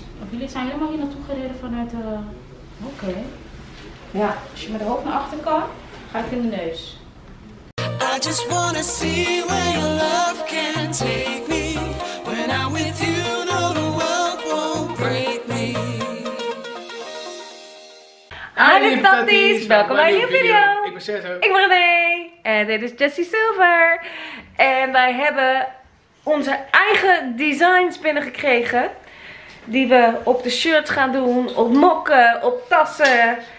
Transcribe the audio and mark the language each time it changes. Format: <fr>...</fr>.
<nl>Jullie zijn helemaal hier naartoe gereden vanuit de... Oké. Ja, als je met de hoofd naar achter kan, ga ik in de neus.</nl> <en>I just wanna see where your love can take me. When I'm with you, no, the world won't break me.</en> <nl>Hallo tatties, welkom bij een nieuwe video. Ik ben Cesar. Ik ben René. En dit is Jessie Silver. En wij hebben onze eigen designs binnengekregen. Die we op de shirt gaan doen, op mokken, op tassen.</nl>